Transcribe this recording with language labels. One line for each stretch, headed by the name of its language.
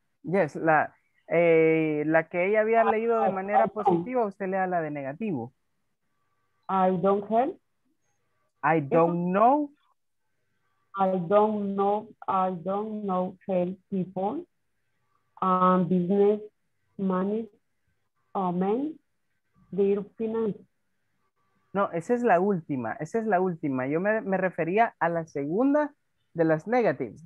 Spanish: Yes, la que ella había leído de manera positiva, usted lea la de negativo.
English: I don't help. I don't know. I don't know how people and business manage men their finance.
Spanish: No, esa es la última. Esa es la última. Yo me refería a la segunda de las negatives.